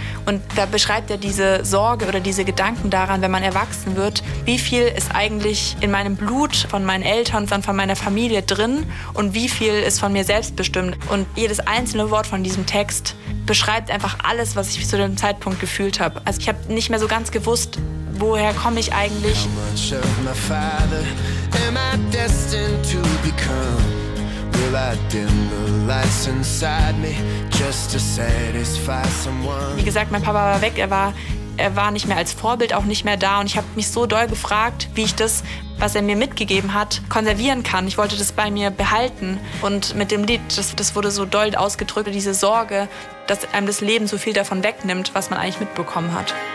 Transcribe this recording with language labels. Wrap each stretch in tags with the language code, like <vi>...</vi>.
<de>Und da beschreibt er diese Sorge oder diese Gedanken daran, wenn man erwachsen wird, wie viel ist eigentlich in meinem Blut von meinen Eltern, von meiner Familie drin und wie viel ist von mir selbst bestimmt. Und jedes einzelne Wort von diesem Text beschreibt einfach alles, was ich zu dem Zeitpunkt gefühlt habe. Also ich habe nicht mehr so ganz gewusst, woher komme ich eigentlich.</de> <en>How much of my father am I destined to become? Will I dim the lights inside me just to satisfy someone?</en> <de>Wie gesagt, mein Papa war weg, er war nicht mehr als Vorbild, auch nicht mehr da. Und ich habe mich so doll gefragt, wie ich das, was er mir mitgegeben hat, konservieren kann. Ich wollte das bei mir behalten. Und mit dem Lied, das wurde so doll ausgedrückt, diese Sorge, dass einem das Leben so viel davon wegnimmt, was man eigentlich mitbekommen hat.</de>